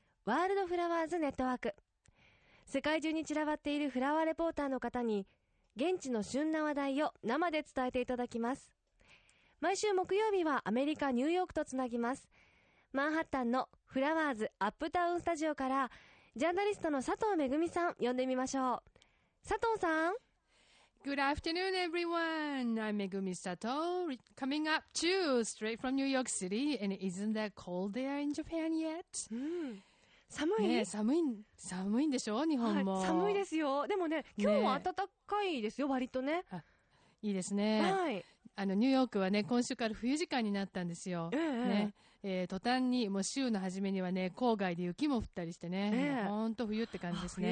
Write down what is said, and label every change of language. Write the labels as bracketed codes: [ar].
[ja] ワールドフラワーズネットワーク。世界中に散らばっているフラワーレポーターの方に現地の旬な話題を生で伝えていただきます。毎週木曜日はアメリカニューヨークとつなぎます。マンハッタンのフラワーズアップタウンスタジオからジャーナリストの佐藤めぐみさん呼んでみましょう。佐藤さん。 [en] Good afternoon everyone. I'm Megumi Sato, coming up to you straight from New York City. And isn't that cold there in Japan yet?、 [ja] うん、寒い、ね、寒いんでしょう日本も、はい、寒いですよ。でもね今日は暖かいですよ、ね、割とね。あ、いいですね。はい、あのニューヨークはね今週から冬時間になったんですよ、途端にもう週の初めにはね郊外で雪も降ったりしてね、本当冬って感じですね。